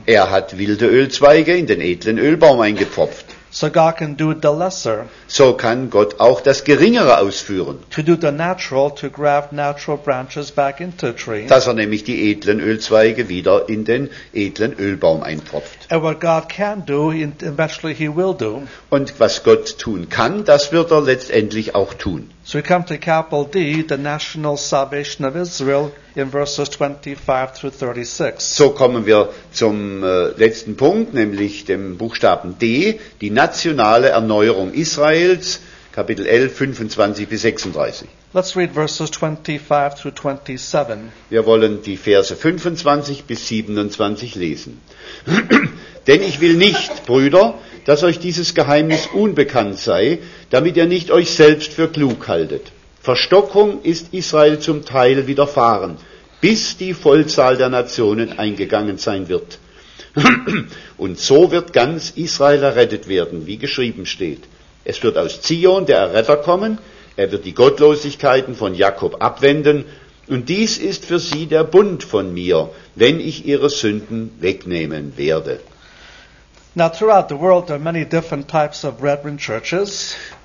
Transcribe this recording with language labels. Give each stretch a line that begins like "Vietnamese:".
German: Er hat wilde Ölzweige in den edlen Ölbaum eingepfropft.
English: So God can do the lesser.
German: So kann Gott auch das Geringere ausführen.
English: To do the natural, to graft natural branches back into trees.
German: Dass er nämlich die edlen Ölzweige wieder in den edlen Ölbaum einpfropft.
English: And what God can do, eventually he will do.
German: Und was Gott tun kann, das wird er letztendlich auch tun.
English: So we come to capital D, the national salvation of Israel, in verses 25 through 36.
German: So kommen wir zum letzten Punkt, nämlich dem Buchstaben D, die nationale Erneuerung Israels, Kapitel 11, 25 bis 36.
English: Let's read verses 25 through 27.
German: Wir wollen die Verse 25 bis 27 lesen. Denn ich will nicht, Brüder, dass euch dieses Geheimnis unbekannt sei, damit ihr nicht euch selbst für klug haltet. Verstockung ist Israel zum Teil widerfahren, bis die Vollzahl der Nationen eingegangen sein wird. Und so wird ganz Israel errettet werden, wie geschrieben steht. Es wird aus Zion der Erretter kommen, er wird die Gottlosigkeiten von Jakob abwenden, und dies ist für sie der Bund von mir, wenn ich ihre Sünden wegnehmen werde.
English: Now throughout the world there are many different types of brethren churches.